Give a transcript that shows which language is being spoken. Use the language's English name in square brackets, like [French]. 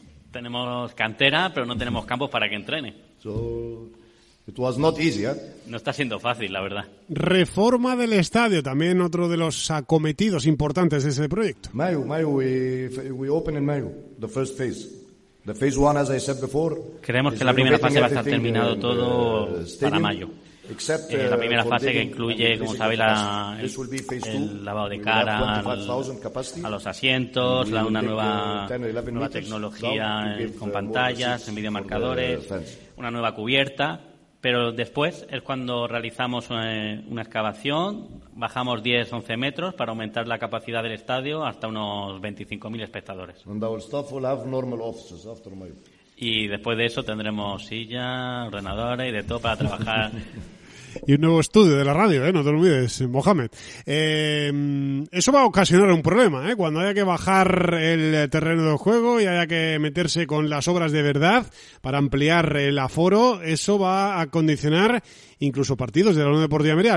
[Spanish] Tenemos cantera, pero no tenemos campos para que entrene. [English] So it was not easy, eh? [Spanish] No está siendo fácil, la verdad. Reforma del estadio, también otro de los acometidos importantes de ese proyecto. [English] Mayo, we open in Mayo, the first phase. The phase one, as I said before. [Spanish] Creemos que la primera fase va a estar terminado todo para mayo. La primera fase que incluye, como sabéis, el lavado de cara a los asientos, una nueva tecnología con pantallas, en videomarcadores, una nueva cubierta. Pero después es cuando realizamos una excavación, bajamos 10-11 metros para aumentar la capacidad del estadio hasta unos 25.000 espectadores. [English] And our staff will have normal offices after my... [Spanish] Y después de eso tendremos sillas, ordenadores y de todo para trabajar. Y un nuevo estudio de la radio, no te olvides, Mohamed. Eso va a ocasionar un problema, cuando haya que bajar el terreno de juego y haya que meterse con las obras de verdad para ampliar el aforo, eso va a condicionar incluso partidos de la Unión Deportiva de Almería.